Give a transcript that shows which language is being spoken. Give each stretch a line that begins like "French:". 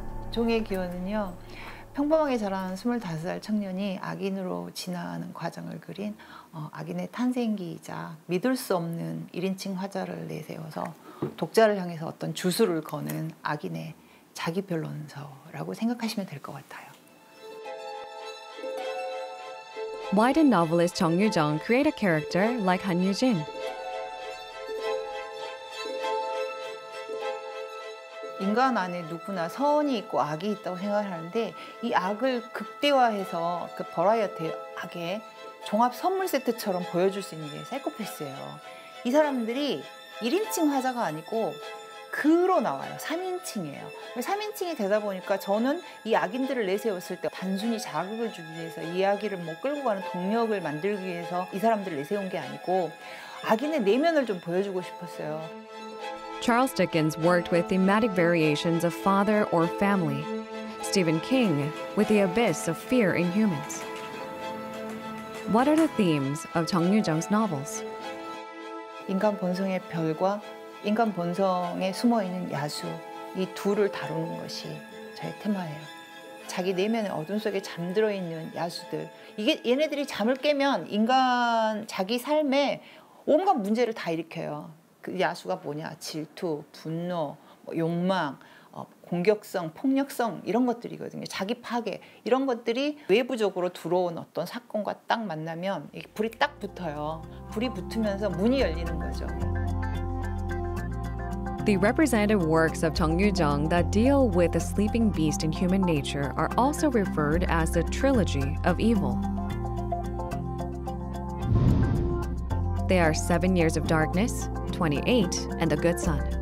Korean: 종의 기원은요, 평범하게 자라는 25살 청년이 악인으로 진화하는 과정을 그린 악인의 탄생기이자 믿을 수 없는 1인칭 화자를 내세워서 독자를 향해서 어떤 주술을 거는 악인의 자기 변론서라고 생각하시면 될 것 같아요.
English: Why did novelist Jung Yu-jung create a character like Han Yu-jin?
Korean: In 안에 누구나 선이 있고 악이 있다고 생각하는데 이 악을 극대화해서 그 버라이어티 악의 종합 선물 세트처럼 보여줄 수 있는 게 사이코패스예요. 이 사람들이 1인칭 화자가 아니고 그로 나와요. 3인칭이에요. 3인칭이 되다 보니까 저는 이 악인들을 내세웠을 때 단순히 자극을 주기 위해서 이야기를 뭐 끌고 가는 동력을 만들기 위해서 이 사람들을 내세운 게 아니고 악인의 내면을 좀 보여주고 싶었어요.
English: Charles Dickens worked with thematic variations of father or family. Stephen King with the abyss of fear in humans. What are the themes of Jung Yu-jung's novels?
Korean: 인간 본성의 별과 인간 본성에 숨어 있는 야수 이 둘을 다루는 것이 저의 테마예요. 자기 내면의 어둠 속에 잠들어 있는 야수들 이게 얘네들이 잠을 깨면 인간 자기 삶에 온갖 문제를 다 일으켜요. 그 야수가 뭐냐 질투, 분노, 뭐 욕망, 공격성, 폭력성 이런 것들이거든요. 자기 파괴 이런 것들이 외부적으로 들어온 어떤 사건과 딱 만나면 불이 딱 붙어요. 불이 붙으면서 문이 열리는 거죠.
English: The representative works of Jung Yu-jung that deal with the sleeping beast in human nature are also referred as the Trilogy of Evil. They are 7 Years of Darkness, 28, and The Good Son.